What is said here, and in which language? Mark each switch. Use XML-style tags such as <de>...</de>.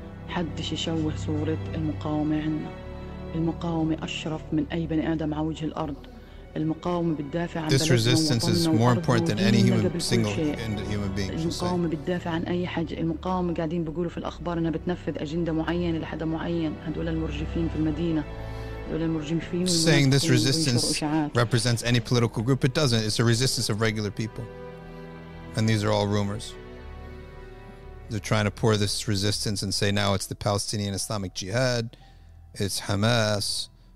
<ar>حدش يشوه صورة المقاومة عنا. المقاومة أشرف من أي بني آدم على وجه الأرض.</ar> <en>This resistance is more important than any human single human being.</en> <ar>المقاومة بتدافع عن أي حاجة. المقاومة قاعدين بيقولوا في الأخبار إنها بتنفذ أجندة معينة لحد معين. هدول المرجفين في المدينة.</ar> <en>Saying this resistance represents any political group, it doesn't. It's a resistance of regular people, and these are all rumors. They're trying to pour this resistance and say now it's the Palestinian Islamic Jihad, it's Hamas.</en>